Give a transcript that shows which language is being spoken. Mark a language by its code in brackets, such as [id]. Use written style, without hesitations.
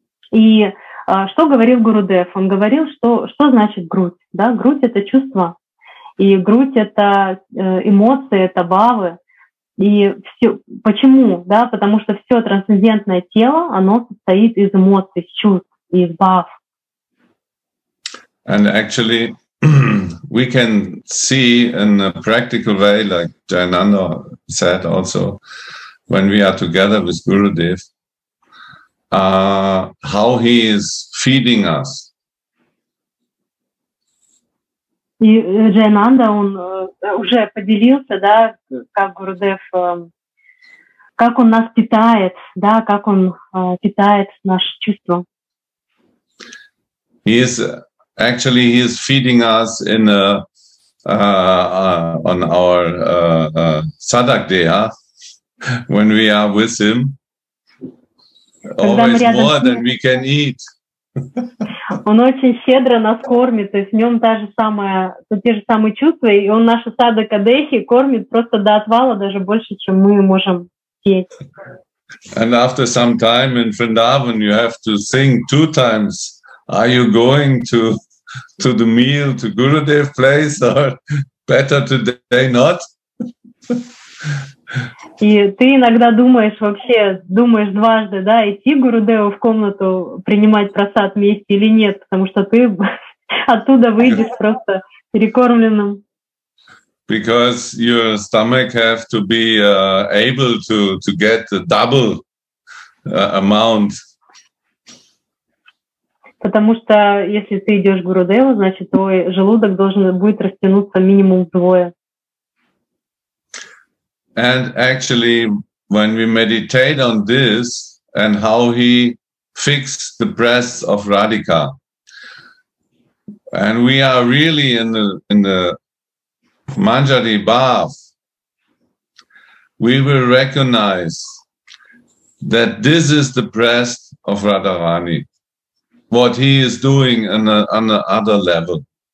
[ru] И что говорил Гурудев? Он говорил, что значит грудь. Да? Грудь — это чувство. И грудь — это эмоции, это бавы. И все, почему? Да, потому что все трансцендентное тело, оно состоит из эмоций, из чувств, из бав. [en] And actually, we can see in a practical way, like Jayananda said also, when we are together with Gurudev, how he is feeding us. [ru] Джайнанда, он уже поделился, да, как Гурудев, как он нас питает, да, как он питает наши чувства. [en] He is, actually, he is feeding us in a, on our Sadakdeha, when we are with him, always more than we can eat. [ru] Он очень щедро нас кормит, то есть в нем та же самая, те же самые чувства, и он наши сады кадехи кормит просто до отвала, даже больше, чем мы можем съесть. [en] And after some time in Vrindavan, you have to think two times: are you going to the meal to Gurudev place, or better today not? [ru] И ты иногда думаешь вообще, думаешь дважды, да, идти Гурудеву в комнату принимать просад вместе или нет, потому что ты оттуда выйдешь просто перекормленным. [en] Because your stomach has to be able to get a double amount. [ru] Потому что если ты идешь Гурудеву, значит твой желудок должен будет растянуться минимум вдвое. [en] And actually, when we meditate on this and how he fixed the breasts of Radhika, and we are really in the Manjari bath, we will recognize that this is the breast of Radharani, what he is doing on the other level.